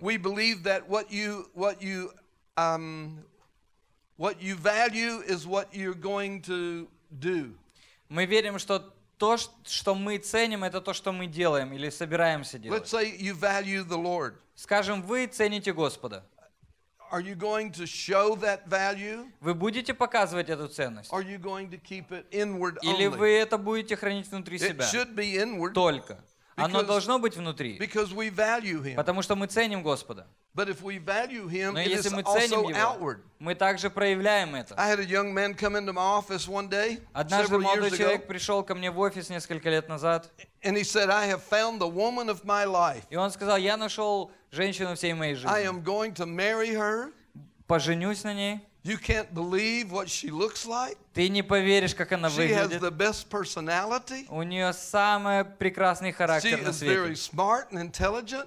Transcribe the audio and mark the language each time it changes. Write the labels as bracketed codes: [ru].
[en] We believe that what you value is what you're going to do. [ru] Мы верим, что то, что мы ценим, это то, что мы делаем или собираемся делать. [en] Let's say you value the Lord. [ru] Скажем, вы цените Господа. [en] Are you going to show that value? [ru] Вы будете показывать эту ценность? [en] Are you going to keep it inward only? [ru] Или вы это будете хранить внутри себя? [en] It should be inward. [ru] Только. Оно должно быть внутри. [en] Because we value him. [ru] Потому что мы ценим Господа. [en] But if we value him, [ru] но если мы ценим его, [en] outward. [ru] Мы также проявляем это. [en] I had a young man come into my office one day, [ru] однажды молодой человек пришел ко мне в офис несколько лет назад. [en] And he said, I have found the woman of my life. [ru] И он сказал, я нашел женщину всей моей жизни. [en] I am going to marry her. [ru] Поженюсь на ней. [en] You can't believe what she looks like. [ru] Ты не поверишь, как она выглядит. [en] She has the best personality. [ru] У нее самый прекрасный характер на свете. [en] She is very smart and intelligent.